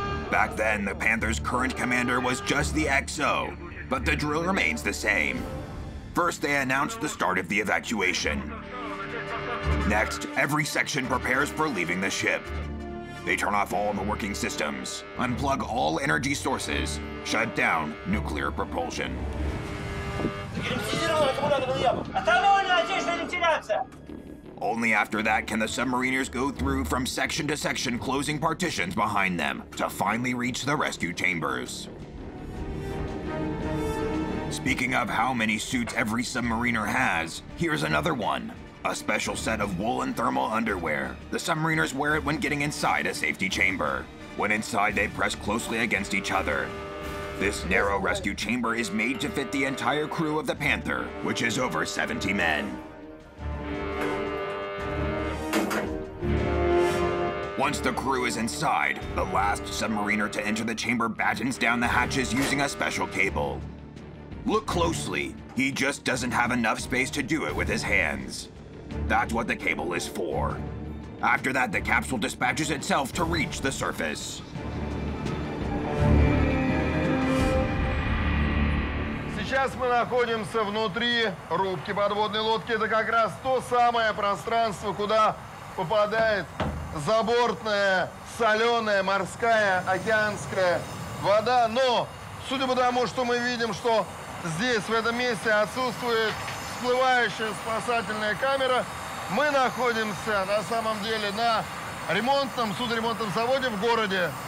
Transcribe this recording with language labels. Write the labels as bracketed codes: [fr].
[en] Back then, the Panther's current commander was just the XO, but the drill remains the same. First, they announce the start of the evacuation. Next, every section prepares for leaving the ship. They turn off all the working systems, unplug all energy sources, shut down nuclear propulsion. [ru] Герметизированный аккумулятор на яблок. Остановлена отечественная вентиляция. [en] Only after that can the submariners go through from section to section, closing partitions behind them to finally reach the rescue chambers. Speaking of how many suits every submariner has, here's another one. A special set of woolen thermal underwear. The submariners wear it when getting inside a safety chamber. When inside, they press closely against each other. This narrow rescue chamber is made to fit the entire crew of the Panther, which is over 70 men. Once the crew is inside, the last submariner to enter the chamber battens down the hatches using a special cable. Look closely, he just doesn't have enough space to do it with his hands. That's what the cable is for. After that, the capsule dispatches itself to reach the surface. [ru] Сейчас мы находимся внутри рубки подводной лодки. Это как раз то самое пространство, куда попадает забортная, соленая, морская, океанская вода. Но, судя по тому, что мы видим, что здесь, в этом месте, отсутствует всплывающая спасательная камера, мы находимся, на самом деле, на ремонтном, судоремонтном заводе в городе